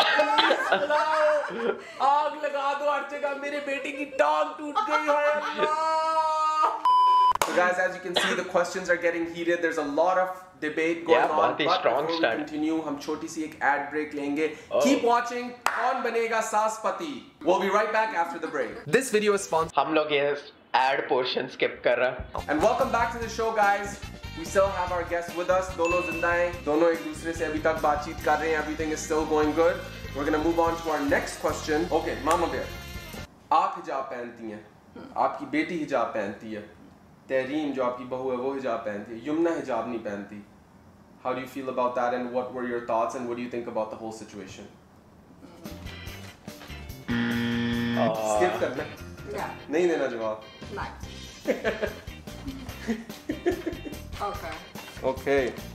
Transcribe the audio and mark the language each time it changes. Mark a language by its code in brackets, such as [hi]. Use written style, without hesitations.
[hi] आग लगा दो हर जगह, मेरे बेटे की टांग टूट गई है. [en] So guys, as you can see, the questions are getting heated. There's a lot of debate going on. Yeah, but strong before start. We continue, [hi] हम छोटी सी एक ad break लेंगे. [en] Oh. Keep watching. [hi] कौन बनेगा सास पति? [en] We'll be right back after the break. This video is sponsored. [hi] हम लोग ये ad portion skip कर रहे हैं. [en] And welcome back to the show, guys. We still have our guests with us. [hi] दोनों जिंदा हैं. दोनों एक दूसरे से अभी तक बातचीत कर रहे हैं. [en] Everything is still going good. We're gonna move on to our next question. Okay, [hi] Mama Bear. आप हिजाब पहनती हैं. आपकी बेटी हिजाब पहनती है. तहरीम जो आपकी बहू है वो हिजाब पहनती है, यमुना हिजाब नहीं पहनती। [en] How do you feel about that and what were your thoughts and what do you think about the whole situation? [hi] Skip करना। [en] Yeah. [hi] नहीं देना जवाब। [en] No. Okay. Okay.